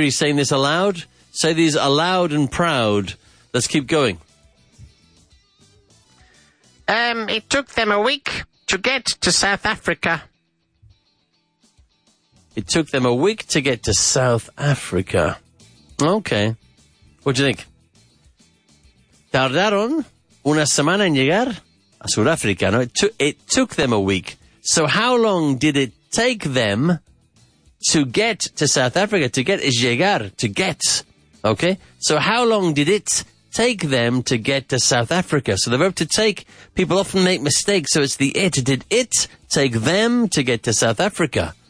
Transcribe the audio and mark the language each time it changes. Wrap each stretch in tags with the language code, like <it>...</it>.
<en>You're saying this aloud. Say these aloud and proud. Let's keep going. It took them a week to get to South Africa. It took them a week to get to South Africa. Okay. What do you think?</en> <es>Tardaron una semana en llegar a Sudáfrica.</es> <en>No, it took them a week. So how long did it take them to get to South Africa? To get is llegar, to get. Okay. So how long did it take them to get to South Africa? So the verb to take, people often make mistakes. So it's the it. Did it take them to get to South Africa?</en>